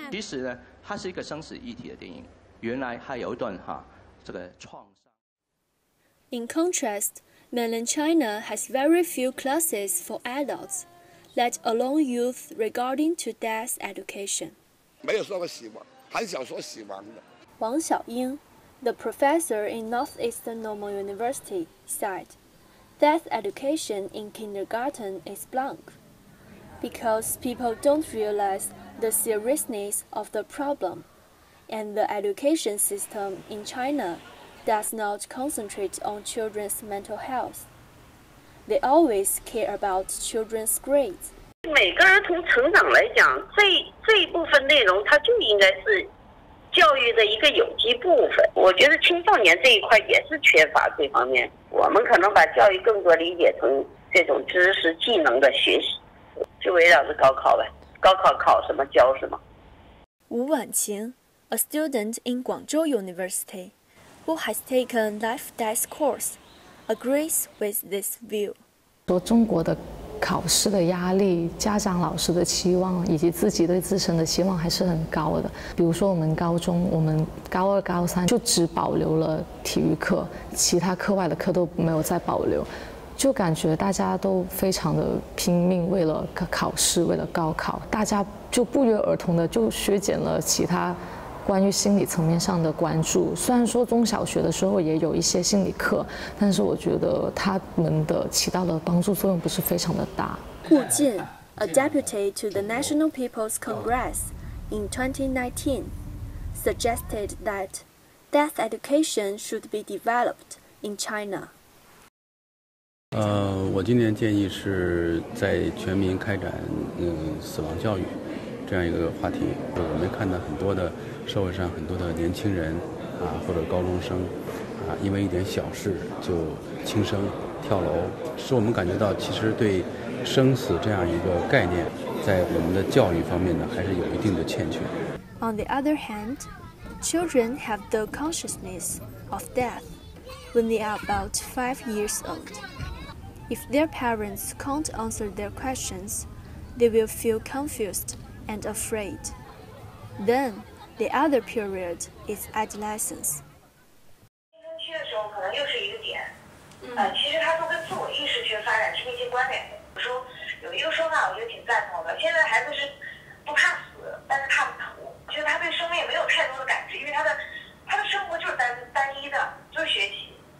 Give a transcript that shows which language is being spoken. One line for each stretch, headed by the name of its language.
Chinese: 其实呢，它是一个生死议题的电影，原来还有一段哈这个创伤。
English: In contrast, mainland China has very few classes for adults, let alone youth regarding to death education.
Chinese: 没有说过死亡，很少说死亡的。
English: 王小英, the professor in Northeastern Normal University, said, "Death education in kindergarten is blank, because people don't realize the seriousness of the problem, and the education system in China does not concentrate on children's mental health. They always care about children's grades."
Chinese: 每个儿童成长来讲，这一部分内容它就应该是教育的一个有机部分。我觉得青少年这一块也是缺乏这方面，我们可能把教育更多理解成这种知识技能的学习，就围绕着高考呗，高考考什么教什么。
English: 吴婉晴, a student in Guangzhou University, who has taken life-death course, agrees with this view.
Chinese: 说中国的考试的压力，家长老师的期望，以及自己对自身的期望还是很高的。比如说我们高中，我们高二高三就只保留了体育课，其他课外的课都没有再保留，就感觉大家都非常的拼命，为了考试，为了高考，大家就不约而同的就削减了其他关于心理层面上的关注。虽然说中小学的时候也有一些心理课，但是我觉得他们的起到的帮助作用不是非常的大。
English: 顾进, a deputy to the National People's Congress in 2019, suggested that death education should be developed in China.
Chinese: 我今年建议是在全民开展死亡教育这样一个话题。我们看到很多的社会上很多的年轻人啊，或者高中生啊，因为一点小事就轻生、跳楼，使我们感觉到其实对生死这样一个概念在我们的教育方面呢还是有一定的欠缺。
English: On the other hand, children have the consciousness of death when they are about 5 years old. If their parents can't answer their questions, they will feel confused and afraid. ThenThe other period is adolescence.
Chinese: 青春期的时候可能又是一个点，其实它都跟自我意识去发展是密切关联的。我说有一个说法我觉得挺赞同的，现在孩子是不怕死，但是怕苦，就是他对生命没有太多的感知，因为他的生活就是单一的，就是学习。